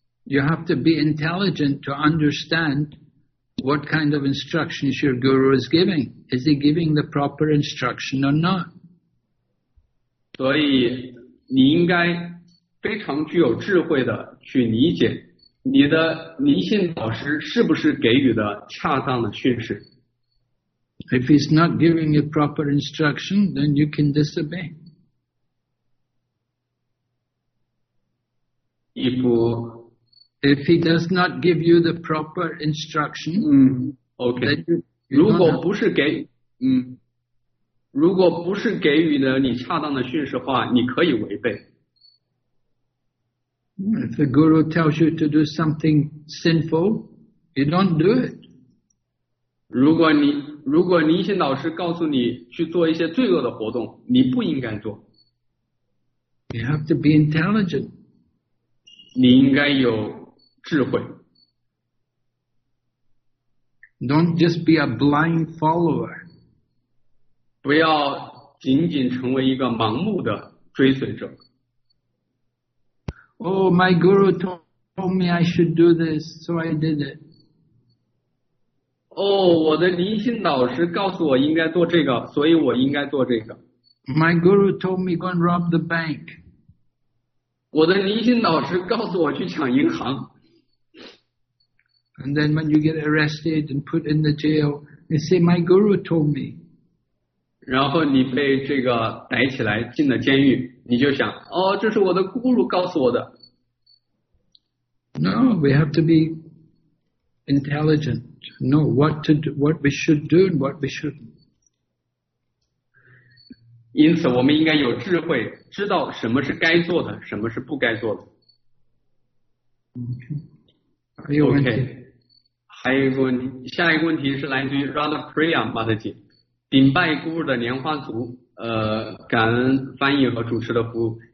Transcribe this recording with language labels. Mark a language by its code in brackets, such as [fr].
[en] you have to be intelligent to understand what kind of instructions your guru is giving. Is he giving the proper instruction or not? [zh] 所以你应该非常具有智慧的去理解你的灵性导师是不是给予的恰当的训示。 [en] If he's not giving you proper instruction, then you can disobey. [zh] 如果 [en] he does not give you the proper instruction, okay. [zh] 如果不是给予了你恰当的训示话，你可以违背。 [en] If the guru tells you to do something sinful, you don't do it. [zh] 如果你一些老师告诉你去做一些罪恶的活动，你不应该做。 [en] You have to be intelligent. [zh] 你应该有智慧。 [en] Don't just be a blind follower. [zh] 不要仅仅成为一个盲目的追随者。 [en] Oh, my guru told me I should do this, so I did it. [zh] Oh, 我的灵性导师告诉我应该做这个，所以我应该做这个。 [en] My guru told me go and rob the bank. [zh] 我的灵性导师告诉我去抢银行。 [en] And then when you get arrested and put in the jail, they say my guru told me. [zh] 然后你被这个逮起来进了监狱，你就想，哦，这是我的咕噜告诉我的。 [en] No, we have to be intelligent. Know what to do, what we should do, and what we shouldn't. [zh] 因此，我们应该有智慧，知道什么是该做的，什么是不该做的。 [en] Okay. 有 [zh] okay. 还有一个问题，下一个问题是来自于 Radha Priya Mataji， 顶拜孤儿的莲花族，感恩翻译和主持的服务。